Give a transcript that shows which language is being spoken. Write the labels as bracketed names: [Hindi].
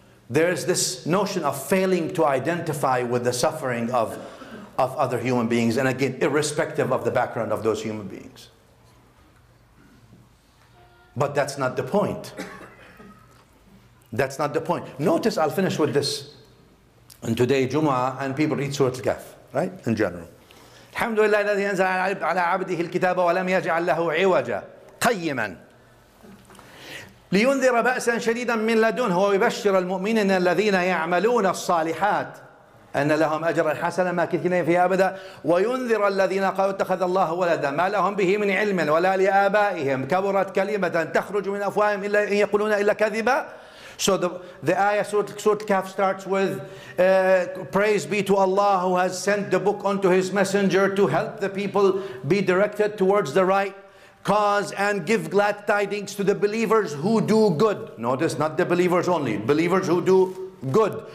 [English] There's this notion of failing to identify with the suffering of other human beings, and again, irrespective of the background of those human beings. But that's not the point. That's not the point. Notice, I'll finish with this. And today, Jummah, and people read Surah Al-Kahf, right? In general. [Arabic] Alhamdulillah, الذي أنزل على عبده الكتاب ولم يجعل له عوجا قيما لينذر بأسا شديدا من لدنه ويبشر المؤمنين الذين يعملون الصالحات أن لهم أجرا حسنا ماكثين فيها أبدا وينذر الذين قالوا اتخذ الله ولدا ما لهم به من علم ولا لآبائهم كبرت كلمة تخرج من أفواههم إلا إن يقولون إلا كذبا. [English] So the ayah Surah Al-Kahf starts with praise be to Allah who has sent the book unto his messenger to help the people be directed towards the right cause and give glad tidings to the believers who do good. Notice, not the believers only, believers who do good.